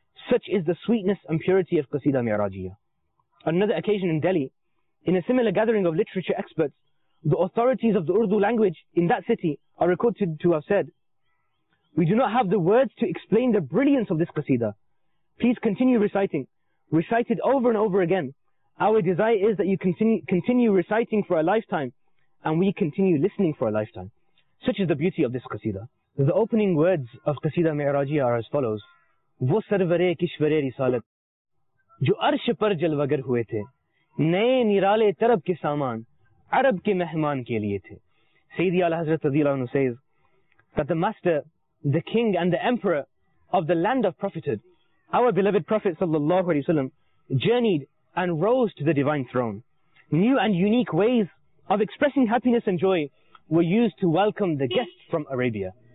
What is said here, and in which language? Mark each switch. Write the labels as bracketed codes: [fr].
[en] Such is the sweetness and purity of Qasida Mi'rajiya. On another occasion in Delhi, in a similar gathering of literature experts, the authorities of the Urdu language in that city are recorded to have said, "We do not have the words to explain the brilliance of this Qasida. Please continue reciting. Recite it over and over again. Our desire is that you continue reciting for a lifetime, and we continue listening for a lifetime." Such is the beauty of this Qasida. The opening words of Qasida Mi'rajiya are as follows. [ur] وہ سرورِ کشورِ رسالت جو عرش پر جلوگر ہوئے تھے نئے نرالے طرب کے سامان عرب کے مہمان کے لیے تھے. [en] سیدی اعلی حضرت رضی اللہ عنہ says that the master, the king and the emperor of the land of prophethood, our beloved Prophet [ar] sallallahu alayhi wa sallam, [en] journeyed and rose to the divine throne. New and unique ways of expressing happiness and joy were used to welcome the guests from Arabia.